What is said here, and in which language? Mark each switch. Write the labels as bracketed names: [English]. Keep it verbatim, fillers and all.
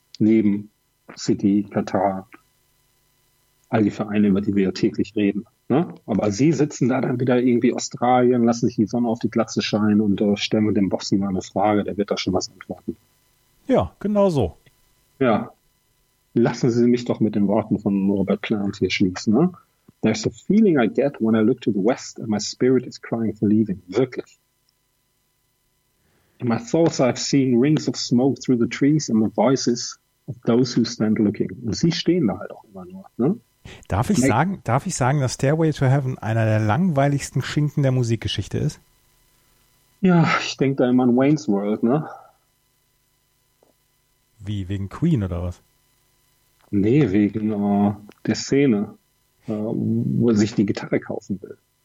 [German] Neben City, Katar, all die Vereine, über die wir ja täglich reden. Ne? Aber sie sitzen da dann wieder irgendwie Australien, lassen sich die Sonne auf die Glatze scheinen und uh, stellen wir dem Boss mal eine Frage, der wird da schon was antworten. Ja, genau so. Ja, lassen Sie mich doch mit den Worten von Robert Plant hier schließen, ne? [English] There's a feeling I get when I look to the west and my spirit is crying for leaving. [German] Wirklich. [English] In my thoughts I've seen rings of smoke through the trees and the voices of those who stand looking. [German] Und sie stehen da halt auch immer nur. Ne? Darf ich sagen, darf ich sagen, dass Stairway to Heaven einer der langweiligsten Schinken der Musikgeschichte ist? Ja, ich denke da immer an Wayne's World, ne? Wie, wegen Queen oder was? Nee, wegen uh, der Szene, wo er sich die Gitarre kaufen will.